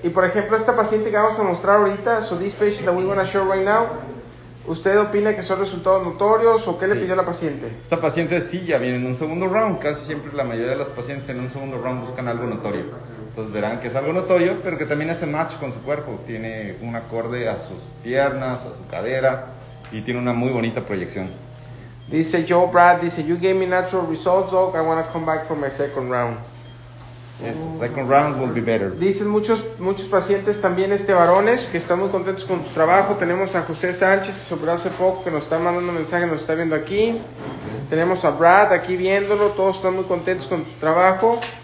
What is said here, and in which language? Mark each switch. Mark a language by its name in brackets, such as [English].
[Spanish] Y por ejemplo, esta paciente que vamos a mostrar ahorita, [English] so this patient that we're going to show right now, [Spanish] ¿usted opina que son resultados notorios o qué le pidió la paciente? Esta paciente sí, ya viene en un segundo round. Casi siempre la mayoría de las pacientes en un segundo round buscan algo notorio. Entonces verán que es algo notorio, pero que también hace match con su cuerpo. Tiene un acorde a sus piernas, a su cadera, y tiene una muy bonita proyección. Dice Joe Brad, dice, [English] you gave me natural results, dog. I want to come back for my second round. Yes, second round will be better. [Spanish] Dicen muchos pacientes también, varones, que están muy contentos con su trabajo. Tenemos a José Sánchez, que se operó hace poco, que nos está mandando mensaje, nos está viendo aquí. Okay. Tenemos a Brad aquí viéndolo. Todos están muy contentos con su trabajo.